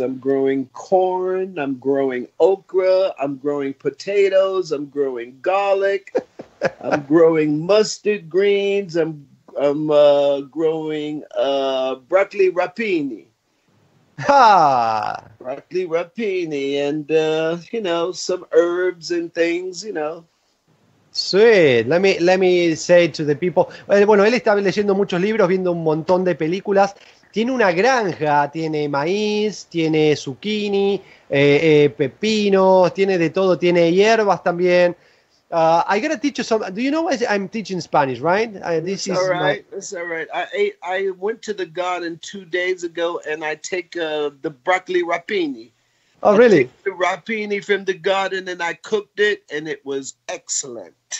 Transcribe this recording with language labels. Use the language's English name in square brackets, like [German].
[English] I'm growing corn, I'm growing okra, I'm growing potatoes, I'm growing garlic, I'm growing mustard greens, I'm growing broccoli rapini. Ha! Broccoli rapini and, you know, some herbs and things, you know. Sweet. Let me say to the people. [Spanish] Bueno, él está leyendo muchos libros, viendo un montón de películas. Tiene una granja, tiene maíz, tiene zucchini, pepinos, tiene de todo, tiene hierbas también. [English] I gotta teach you some. Do you know why I'm teaching Spanish, right? This is all right. It's all right. I went to the garden 2 days ago and I take the broccoli rapini. Oh, really? I took the rapini from the garden and I cooked it and it was excellent.